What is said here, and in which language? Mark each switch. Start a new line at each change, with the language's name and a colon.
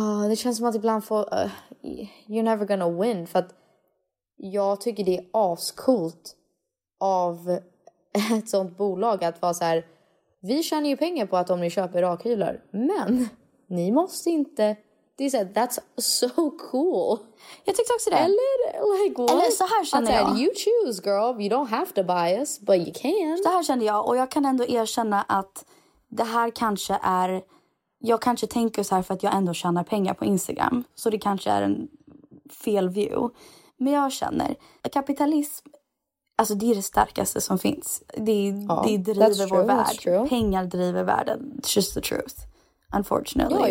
Swedish: Det känns som att ibland får...
English: you're never gonna win.
Swedish: För att jag tycker det är ascoolt av ett sånt bolag att vara så här... Vi tjänar ju pengar på att om ni köper rakhyvlar. Men ni måste inte... Det är så här,
English: that's so cool.
Swedish: Jag tyckte också det. Eller, like, eller så här känner jag.
English: You choose, girl. You don't have to buy us, but you can.
Swedish: Så här kände jag. Och jag kan ändå erkänna att... Det här kanske är... Jag kanske tänker så här för att jag ändå tjänar pengar på Instagram. Så det kanske är en fel view. Men jag känner... Kapitalism... Alltså det är det starkaste som finns. Det driver vår värld. Pengar driver världen.
English: It's just the truth. Unfortunately.